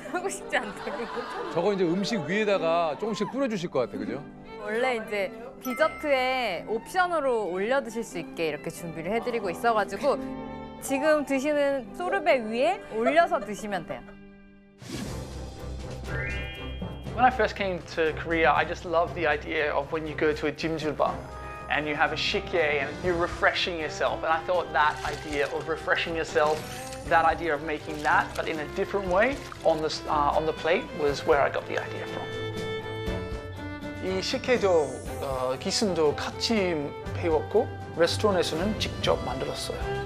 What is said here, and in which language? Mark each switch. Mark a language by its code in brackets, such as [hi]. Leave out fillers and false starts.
[ko] 하고 싶지 않다. 저거 이제 음식 위에다가 조금씩 뿌려주실 것 같아, 그죠? 원래 이제 디저트에 옵션으로 올려 드실 수 있게 이렇게 준비를 해드리고 있어가지고 지금 드시는 소르베 위에 올려서 드시면 돼요. [en] When I first came to Korea, I just loved the idea of when you go to a jjimjilba and you have a shikye and you're refreshing yourself. And I thought that idea of refreshing yourself, that idea of making that, but in a different way on the plate was where I got the idea from. [ko] 이 shikye도 기순도 같이 배웠고 레스토랑에서는 직접 만들었어요.